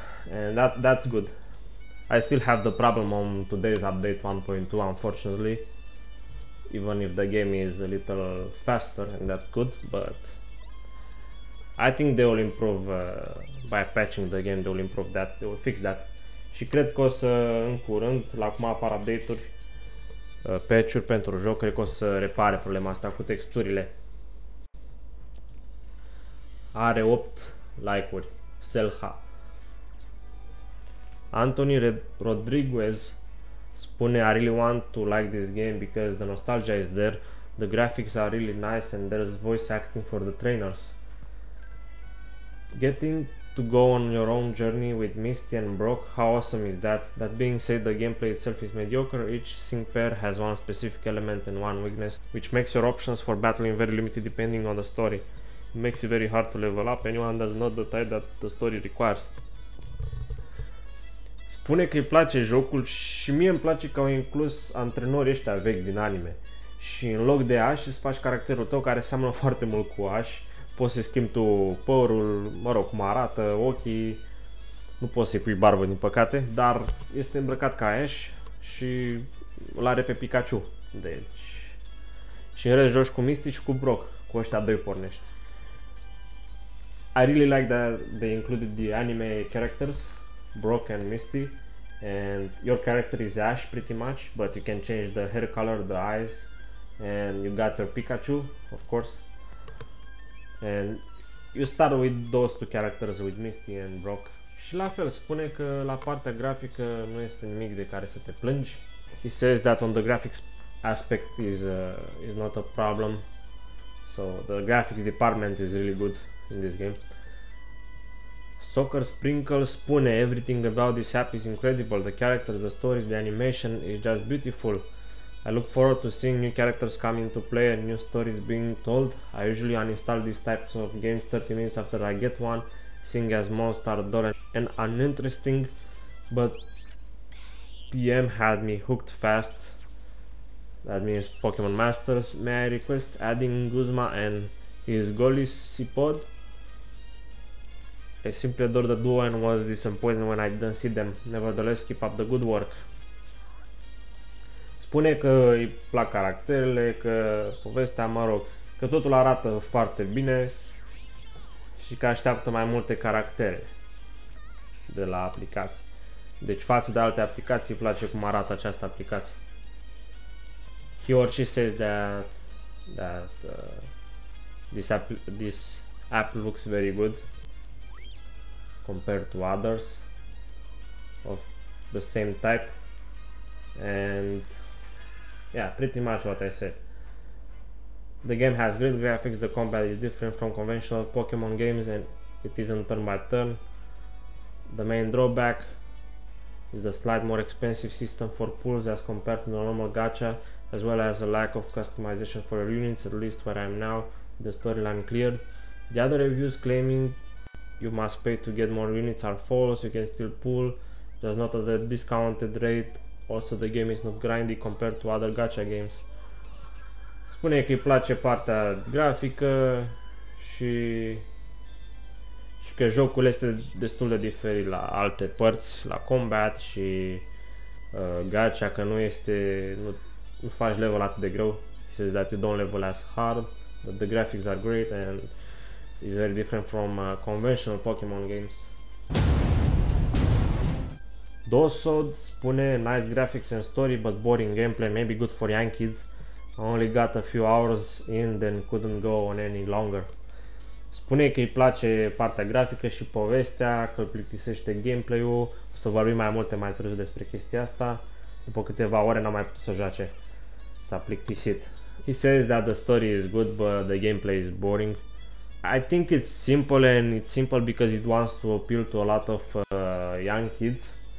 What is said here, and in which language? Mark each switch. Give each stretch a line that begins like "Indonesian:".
English: And that's good. I still have the problem on today's update 1.2, unfortunately. Even if the game is a little faster, and that's good, but I think they will improve by patching the game, they will improve that, they will fix that.
Romanian: Și cred că o să, în curând, la cum apar update-uri, patch-uri pentru joc, cred că o să repare problema asta cu texturile. Are 8 like-uri, Selha.
English: Anthony Rodriguez
Romanian: spune,
English: I really want to like this game because the nostalgia is there, the graphics are really nice, and there's voice acting for the trainers. Getting to go on your own journey with Misty and Brock, how awesome is that? That being said, the gameplay itself is mediocre. Each sync pair has one specific element and one weakness, which makes your options for battling very limited depending on the story. It makes it very hard to level up anyone that's not the type that the story requires.
Romanian: Spune că îi place jocul și mie îmi place că au inclus antrenorii ăștia vechi din anime. Și în loc de Ash îți faci caracterul tău care seamănă foarte mult cu Ash. Poți să-i schimbi tu părul, mă rog, cum arată, ochii. Nu poți să-i pui barbă, din păcate, dar este îmbrăcat ca Ash și îl are pe Pikachu. Deci... Și în rest joci cu Misty și cu Brock, cu ăștia doi pornești.
English: I really like that they included the anime characters. Brock and Misty, and your character is Ash pretty much, but you can change the hair color, the eyes, and you got your Pikachu, of course. And you start with those two characters, with Misty and Brock.
Romanian: Și la fel, spune că la partea grafică nu este nimic de care să te plângi.
English: He says that on the graphics aspect is not a problem. So the graphics department is really good in this game. Soccer Sprinkle
Romanian: spune,
English: everything about this app is incredible. The characters, the stories, the animation is just beautiful. I look forward to seeing new characters come into play and new stories being told. I usually uninstall these types of games 30 minutes after I get one, seeing as most are dull and uninteresting, but PM had me hooked fast. That means Pokemon Masters. May I request adding Guzma and his Golisipod? I simply adore the duo and was disappointed when I didn't see them. Nevertheless, keep up the good work.
Romanian: Spune că îi plac caracterele, că povestea, mă rog, că totul arată foarte bine și că așteaptă mai multe caractere de la aplicație. Deci față de alte aplicații, îi place cum arată această aplicație.
English: He also says that this app looks very good compared to others of the same type, and yeah, pretty much what I said. The game has great graphics, the combat is different from conventional Pokemon games and it isn't turn by turn. The main drawback is the slightly more expensive system for pulls as compared to the normal gacha, as well as a lack of customization for your units, at least where I am now, the storyline cleared. The other reviews claiming you must pay to get more units are false. You can still pull, just not at a discounted rate. Also, the game is not grindy compared to other gacha games.
Romanian: Spune că îi place partea grafică și că jocul este destul de diferit la alte părți, la combat și gacha, că nu este... Nu faci level atât de greu.
English: He says that you don't level as hard, but the graphics are great and is very different from conventional Pokemon games. Dosod
Romanian: spune,
English: nice graphics and story, but boring gameplay, maybe good for young kids. I only got a few hours in, then couldn't go on any longer.
Romanian: Spune că îi place partea grafică și povestea, că plictisește gameplay-ul. O să vorbim mai multe mai târziu despre chestia asta. După câteva ore n-am mai putut să joace. S-a plictisit.
English: He says that the story is good, but the gameplay is boring. I think it's simple and it's simple because it wants to appeal to a lot of young kids.